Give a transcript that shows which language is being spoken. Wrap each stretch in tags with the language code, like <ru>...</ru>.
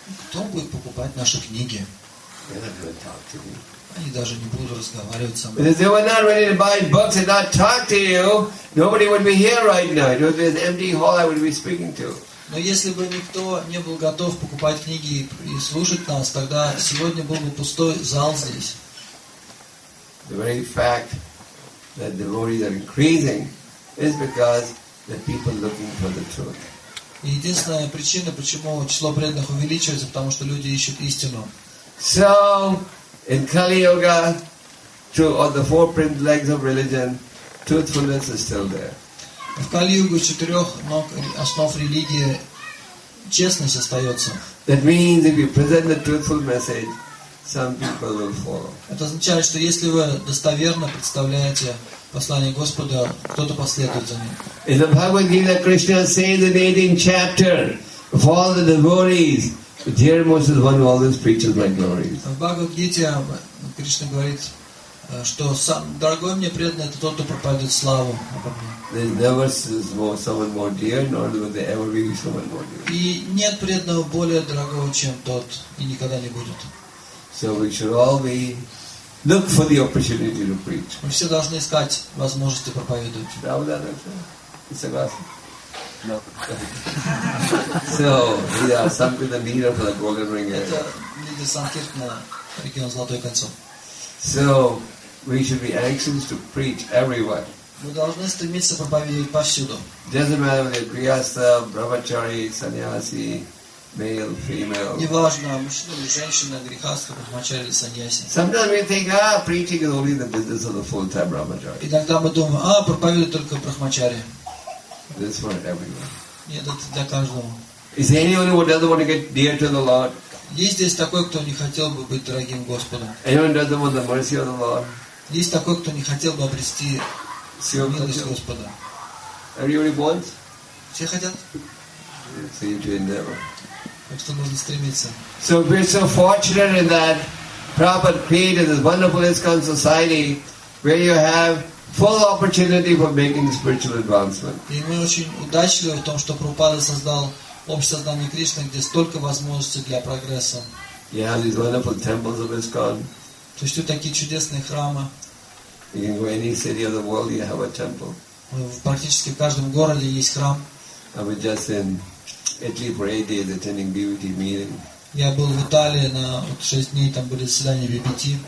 <ru>Кто будет покупать наши книги? Они даже не будут разговаривать со мной.</ru> <en>If they were not ready to buy books and not talk to you, nobody would be here right now. It would be an empty hall I would be speaking to.</en> <ru>Но если бы никто не был готов покупать книги и слушать нас, тогда сегодня был бы пустой зал здесь.</ru> <en>The very fact that the devotees are increasing is because the people looking for the truth.</en> <ru>Единственная причина, почему число преданных увеличивается, потому что люди ищут истину.</ru> <en>So, in Kali Yuga, through all the four principal legs of religion, truthfulness is still there.</en> <ru>В Кали Югу четырех ног основ религии честность остается.</ru> <en>That means if you present the truthful message, some people will follow.</en> <ru>Это означает, что если вы достоверно представляете послание Господа, кто-то последует за ним.</ru> <en>In the Bhagavad Gita, Krishna says in the 18th chapter, of all the devotees, dear most is one who always preaches my glories.</en> <ru>В Бхагавад Гите Кришна говорит, что сам дорогой мне преданный, это тот, кто пропадет славу.</ru> <en>There never is someone more dear, nor will there ever be someone more dear.</en> <ru>И нет преданного более дорогого, чем тот, и никогда не будет.</ru> <en>So we should all be look for the opportunity to preach.</en> <ru>Мы все должны искать возможности проповедовать. Да, да, да. Ты согласен?</ru> <en>So, yeah, Sankirtan leader for the Golden Ring.</en> <ru>Это лидер Санкиртана, регион Золотое кольцо.</ru> <en>So, we should be anxious to preach everywhere.</en> <ru>Мы должны стремиться проповедовать повсюду.</ru> <en>Doesn't matter whether Grihastha, Brahmachari, Sannyasi, male, female.</en> <ru>Неважно, мужчина или женщина, Грихастха, Брахмачари или Саньяси.</ru> <en>Sometimes we think, preaching is only the business of the full-time Brahmachari.</en> <ru>Иногда мы думаем, проповедую только Брахмачари.</ru> <en>This is for everyone.</en> <ru>Нет, это для каждого.</ru> <en>Is there anyone who doesn't want to get dear to the Lord?</en> <ru>Есть здесь такой, кто не хотел бы быть дорогим Господом?</ru> <en>Anyone doesn't want the mercy of the Lord?</en> <ru>Есть такой, кто не хотел бы обрести милость Господа?</ru> <en>Everybody wants?</en> <ru>Все хотят?</ru> <en>So you do endeavor.</en> <ru>Так что нужно стремиться.</ru> <en>So we're so fortunate in that Prabhupada created this wonderful ISKCON society where you have full opportunity for making spiritual advancement.</en> <ru>И мы очень удачливы в том, что Прабхупада создал общество знаний Кришны, где столько возможностей для прогресса.</ru> <en>Yeah, these wonderful temples of ISKCON.</en> <ru>То есть тут такие чудесные храмы.</ru> <en>You can go to any city of the world, you have a temple.</en> <ru>В практически каждом городе есть храм.</ru> <en>I was just in Italy for 8 days attending BBT meeting.</en> <ru>Я был в Италии на 6 дней, там были заседания BBT.</ru>